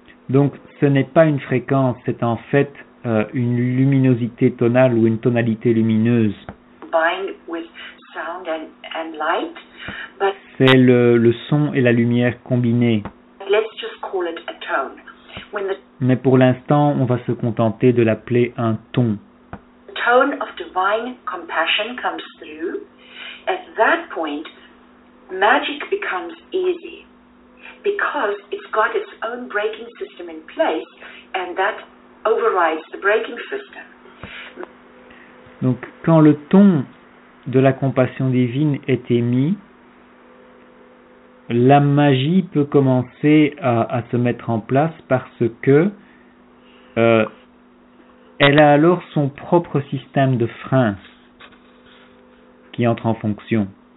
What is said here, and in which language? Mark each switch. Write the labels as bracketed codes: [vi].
[fr] Donc, ce n'est pas une fréquence, c'est en fait une luminosité tonale ou une tonalité lumineuse. [en] Combined with sound and light. [fr] C'est le son et la lumière combinés. [en] Let's just call it a tone. [fr] Mais pour l'instant, on va se contenter de l'appeler un ton. [en] The tone of divine compassion comes through. At that point, magic becomes easy because it's got its own braking system in place and that overrides the braking system. [fr] Donc, quand le ton de la compassion divine est émis, la magie peut commencer à se mettre en place parce que elle a alors son propre système de freins qui entre en fonction.